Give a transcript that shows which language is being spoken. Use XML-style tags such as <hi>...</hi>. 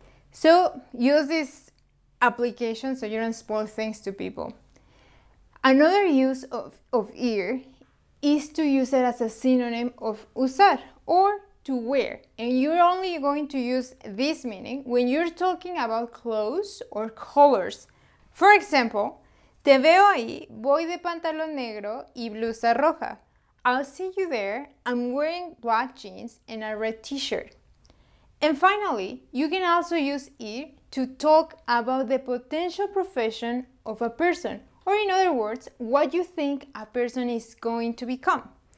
<en>So use this application so you don't spoil things to people. Another use of ir is to use it as a synonym of usar or to wear. And you're only going to use this meaning when you're talking about clothes or colors. For example,</en> <es>te veo ahí, voy de pantalón negro y blusa roja.</es> <en>I'll see you there, I'm wearing black jeans and a red t-shirt. And finally, you can also use ir to talk about the potential profession of a person. Or in other words, what you think a person is going to become.</en>